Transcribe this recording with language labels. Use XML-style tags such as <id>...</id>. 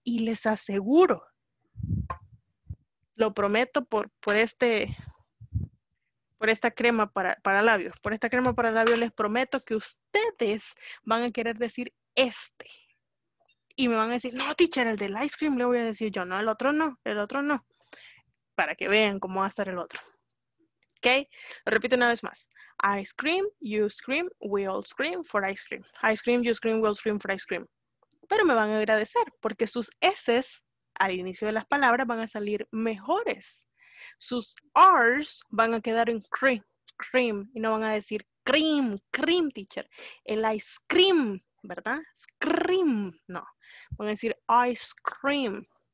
<es>Y les aseguro, lo prometo por esta crema para labios, les prometo que ustedes van a querer decir este. Y me van a decir, no, teacher, el del ice cream, le voy a decir yo, no, el otro no. Para que vean cómo va a estar el otro. ¿Ok? Lo repito una vez más.</es> <en>Ice cream, you scream, we all scream for ice cream. Ice cream, you scream, we all scream for ice cream.</en> <es>Pero me van a agradecer porque sus S's al inicio de las palabras van a salir mejores. Sus R's van a quedar en cream, cream. Y no van a decir cream, cream, teacher. El ice cream, ¿verdad? Scream, no. Van a decir ice cream.</es>